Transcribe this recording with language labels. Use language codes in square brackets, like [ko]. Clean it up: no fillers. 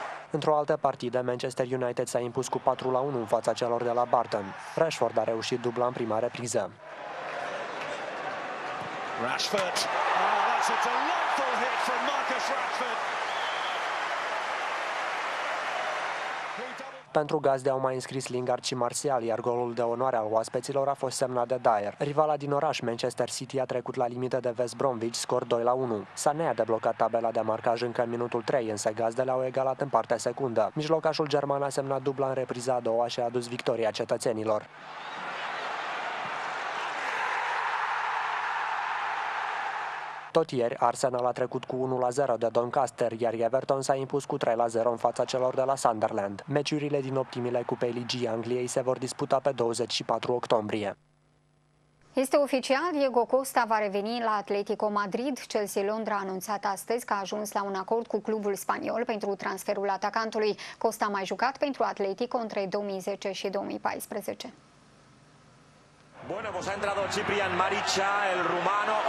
[ro] Într-o altă partidă, Manchester United s-a impus cu 4-1 în fața celor de la Barton. Rashford a reușit dubla în prima repriză. [en] Rashford. Oh, that's a delightful hit from Marcus Rashford. [ro] Pentru gazde au mai înscris Lingard și Martial, iar golul de onoare al oaspeților a fost semnat de Dyer. Rivala din oraș, Manchester City, a trecut la limită de West Bromwich, scor 2-1. Sané a deblocat tabela de marcaj încă în minutul 3, însă gazdele au egalat în partea secundă. Mijlocașul german a semnat dubla în repriza a doua și a adus victoria cetățenilor. Tot ieri, Arsenal a trecut cu 1-0 de Doncaster, iar Everton s-a impus cu 3-0 în fața celor de la Sunderland. Meciurile din optimile Cupei Ligii Angliei se vor disputa pe 24 octombrie. Este oficial, Diego Costa va reveni la Atletico Madrid. Chelsea Londra a anunțat astăzi că a ajuns la un acord cu clubul spaniol pentru transferul atacantului. Costa a mai jucat pentru Atletico între 2010 și 2014. [es] Bueno, pues ha entrado Ciprian Marica, el rumano.